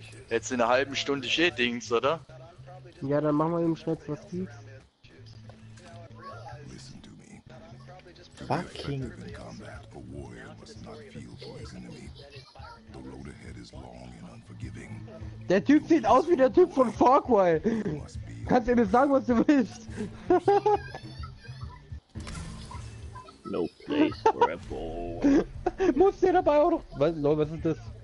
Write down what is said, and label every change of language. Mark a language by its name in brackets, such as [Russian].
[German] Jetzt in einer halben Stunde Schädings, oder? Ja, dann machen wir eben schnell was gibt's. [English] Listen to me. Fucking in combat, a warrior must not feel for his enemy. The road ahead is long and unforgiving. [German] Der Typ sieht aus wie der Typ von Far Cry. Kannst du mir sagen, was du willst? [English] No place for a boy. [German] Muss der dabei auch noch? Was, no, was ist das?